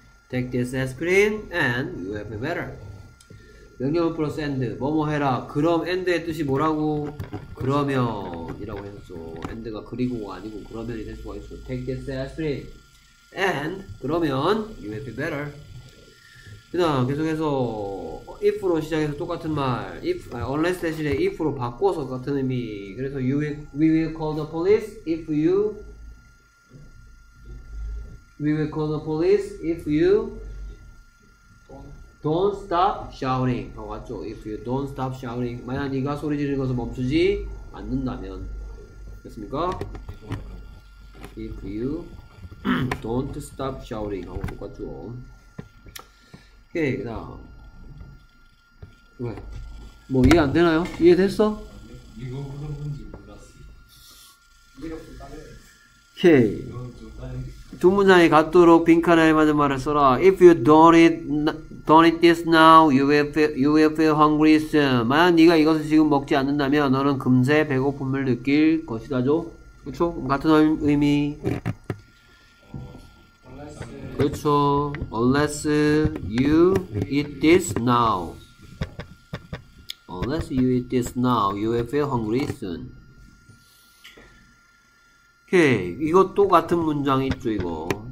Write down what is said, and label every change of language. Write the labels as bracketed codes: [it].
[en] Take this aspirin and you will feel better. [ko] 명령어 플러스 엔드 뭐뭐 해라. 그럼 엔드의 뜻이 뭐라고? 그러면 이라고 했었죠. 엔드가 그리고가 아니고 그러면이 될 수가 있어. [en] Take this aspirin and [ko] 그러면 [en] you will feel better. [ko] 그 다음 계속해서 if로 시작해서 똑같은 말 if, unless 대신에 if로 바꿔서 같은 의미. [en] 그래서 we will call the police if you Don't stop shouting. [ko] 하고 왔죠. [en] If you don't stop shouting. [ko] 만약 네가 소리 지르는 것을 멈추지 않는다면. 됐습니까? [en] If you don't stop shouting. [ko] 하고 똑같죠. 오케이, 그 다음. 왜? 뭐 이해 안 되나요? 이해 됐어? 이거 그런 건지 몰랐어. 이해가 좀 다르네. 오케이. 두 문장이 같도록 빈칸에 맞는 말을 써라. [en] If you don't eat this now, you will feel hungry soon. [ko] 만약 네가 이것을 지금 먹지 않는다면 너는 금세 배고픔을 느낄 것이다죠. 그렇죠? 같은 의미. 그렇죠. [en] Unless you eat this now. Unless you eat this now, you will feel hungry soon. [ko] 오케이. 이거 또 같은 문장 있죠, 이거.